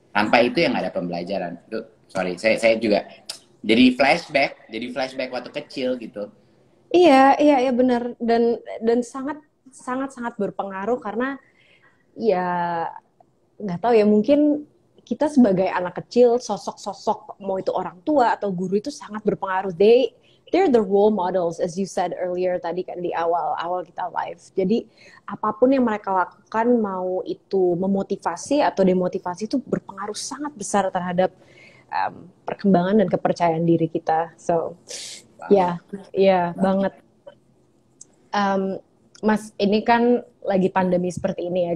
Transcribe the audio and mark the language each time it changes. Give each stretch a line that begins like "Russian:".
Indonesian: Tanpa itu yang ada pembelajaran. Sorry, saya juga jadi flashback waktu kecil gitu. Iya, benar, dan sangat sangat sangat berpengaruh, karena ya nggak tahu ya, mungkin kita sebagai anak kecil, sosok-sosok mau itu orang tua atau guru itu sangat berpengaruh.
English: They're the role models, as you said earlier
Indonesian: tadi kan di awal-awal kita live. Jadi apapun yang mereka lakukan, mau itu memotivasi atau demotivasi, itu berpengaruh sangat besar terhadap perkembangan dan kepercayaan diri kita. So, banget. Mas, ini kan lagi pandemi seperti ini ya.